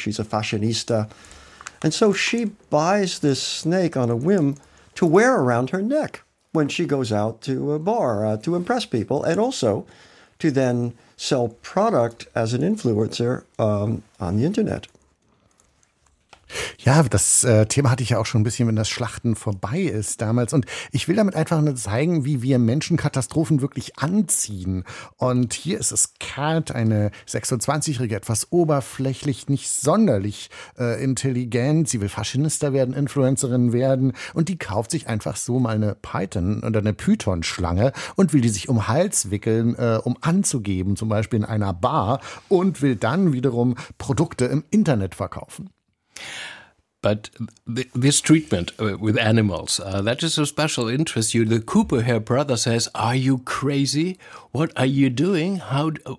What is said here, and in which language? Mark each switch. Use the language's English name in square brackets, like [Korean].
[English] She's a fashionista. And so she buys this snake on a whim to wear around her neck when she goes out to a bar to impress people and also to then sell product as an influencer on the internet. [German] Ja, das Thema hatte ich ja auch schon ein bisschen, wenn das Schlachten vorbei ist damals. Und ich will damit einfach nur zeigen, wie wir Menschen Katastrophen wirklich anziehen. Und hier ist es Kat, eine 26-Jährige, etwas oberflächlich, nicht sonderlich intelligent. Sie will Fashionista werden, Influencerin werden. Und die kauft sich einfach so mal eine Python oder eine Python-Schlange und will die sich um Hals wickeln, um anzugeben, zum Beispiel in einer Bar. Und will dann wiederum Produkte im Internet verkaufen. [English] But this treatment with animals, that is a special interest. You, the Cooper Hare brother says, are you crazy? What are you doing? How?